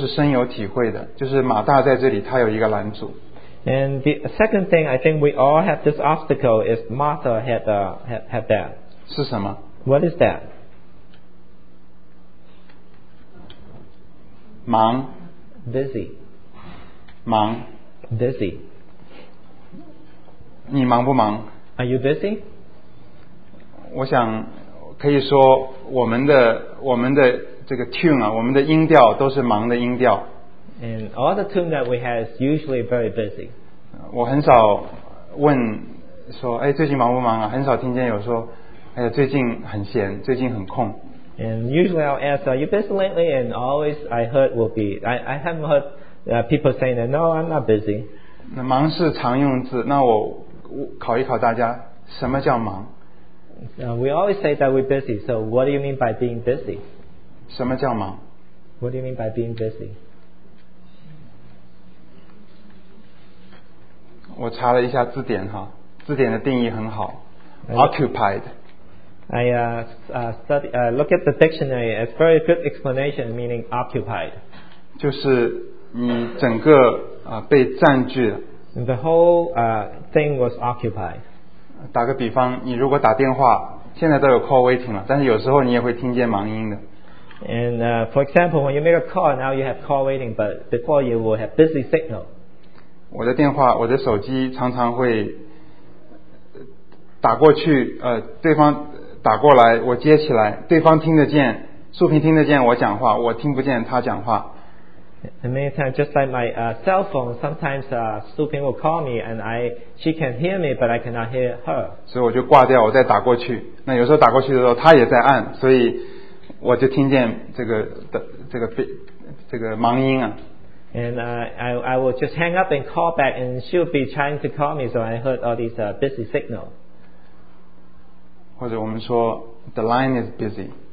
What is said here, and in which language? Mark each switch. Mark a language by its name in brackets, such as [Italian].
[Chinese] 那第二个，我想大家都是深有体会的，就是马大在这里，他有一个拦阻。 [English] And the second thing I think we all have this obstacle is Martha had had that. [Chinese] 是什么？ [English] What is that? [Chinese] 忙。 [English] Busy. [Chinese] 忙。 [English] Busy. [Chinese] 你忙不忙？ [English] Are you busy? [Chinese] 我想可以说我们的这个 tune 啊，我们的音调都是忙的音调。 [English] And all the tune that we have is usually very busy. [Chinese] 我很少问说，哎，最近忙不忙啊？很少听见有说，哎呀，最近很闲，最近很空。 [English] And usually I'll ask, are you busy lately? And always I heard will be, I haven't heard people saying that, no, I'm not busy. [Chinese] 那忙是常用字，那我考一考大家，什么叫忙？ [English] We always say that we're busy, so what do you mean by being busy? [Chinese] 什么叫忙？ [English] What do you mean by being busy? [Chinese] 我查了一下字典哈，字典的定义很好， occupied。 [English] I look at the dictionary. It's very good explanation, meaning occupied. [Chinese] 就是你整个被占据了。 [English] The whole thing was occupied. [Chinese] 打个比方，你如果打电话，现在都有 call waiting 了，但是有时候你也会听见忙音的。 [English] And for example, when you make a call, now you have call waiting, but before you will have busy signal. [Chinese] 我的电话，我的手机常常会打过去，对方。打过来我接起来，对方听得见，素萍听得见我讲话，我听不见他讲话。 [English] And many times just like my cell phone, sometimes素萍will call me and she can hear me but I cannot hear her. [Chinese] 所以我就挂掉，我再打过去，那有时候打过去的时候他也在按，所以我就听见这个忙音啊。 [English] And I will just hang up and call back and she'll be trying to call me, so I heard all these busy signal 或者我们说 the line is busy